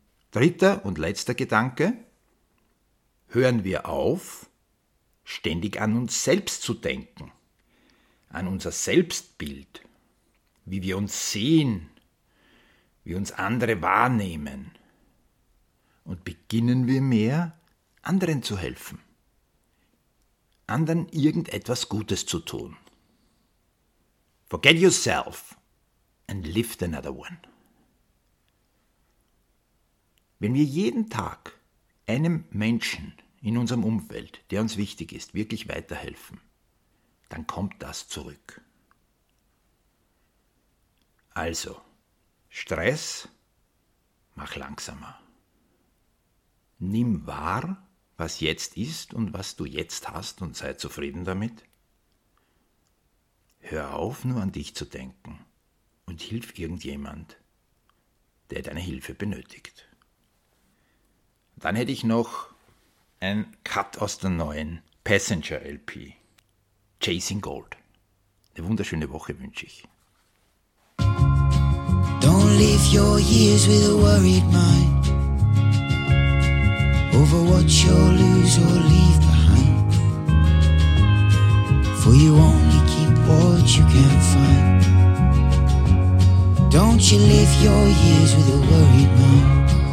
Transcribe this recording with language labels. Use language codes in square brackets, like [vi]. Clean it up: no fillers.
[de] Dritter und letzter Gedanke. Hören wir auf, ständig an uns selbst zu denken, an unser Selbstbild, wie wir uns sehen, wie uns andere wahrnehmen. Und beginnen wir mehr, anderen zu helfen, anderen irgendetwas Gutes zu tun. [en] Forget yourself and lift another one. [de] Wenn wir jeden Tag einem Menschen in unserem Umfeld, der uns wichtig ist, wirklich weiterhelfen, dann kommt das zurück. Also, Stress, mach langsamer. Nimm wahr, was jetzt ist und was du jetzt hast und sei zufrieden damit. Hör auf, nur an dich zu denken und hilf irgendjemand, der deine Hilfe benötigt. Dann hätte ich noch ein Cut aus der neuen Passenger LP, Chasing Gold. Eine wunderschöne Woche wünsche ich. [en] Don't live your years with a worried mind over what you'll lose or leave behind. For you only keep what you can find. Don't you live your years with a worried mind.